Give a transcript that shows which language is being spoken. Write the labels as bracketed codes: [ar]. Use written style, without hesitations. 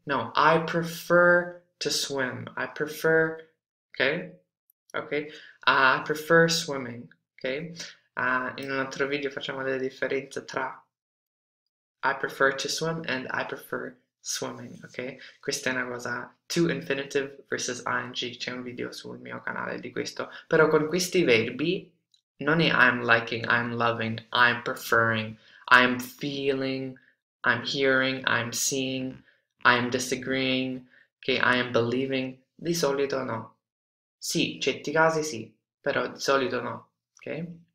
[en] No, I prefer to swim. I prefer, I prefer swimming. [it] Okay, in un altro video facciamo la differenza tra [en] I prefer to swim and I prefer swimming. [it] Okay, questa è una cosa to infinitive versus ing. C'è un video sul mio canale di questo. Però con questi verbi non è [en] I'm liking, I'm loving, I'm preferring, I'm feeling, I'm hearing, I'm seeing, I'm disagreeing, okay, I am believing. [it] Di solito no. Sì, certi casi sì, però di solito no, ok?